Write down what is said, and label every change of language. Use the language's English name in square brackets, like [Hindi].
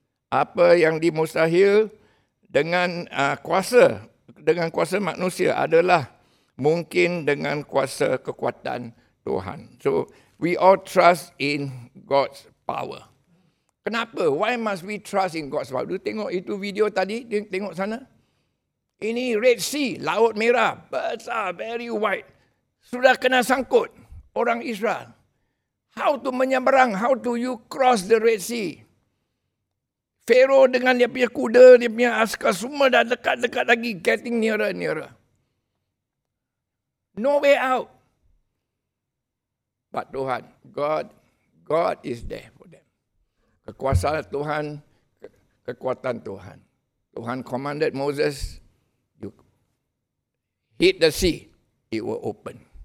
[Malay] Apa yang dimustahil dengan kuasa manusia adalah mungkin dengan kuasa kekuatan Tuhan. [English] So we all trust in God's power. Kenapa? Why must we trust in God's power? [Malay] Do tengok itu video tadi, tengok sana. Ini Red Sea, Laut Merah, besar, [English] very wide. [Malay] Sudah kena sangkut orang Israel. [English] How to [Malay] menyeberang? [English] How do you cross the Red Sea? [Malay] Pharaoh dengan dia punya kuda, dia punya askar, semua dah dekat-dekat lagi, [English] getting nearer. No way out. But Tuhan, God is there for them. [Malay] Kekuasaan Tuhan, kekuatan Tuhan. [English] Tuhan commanded Moses, hit the sea, it will open.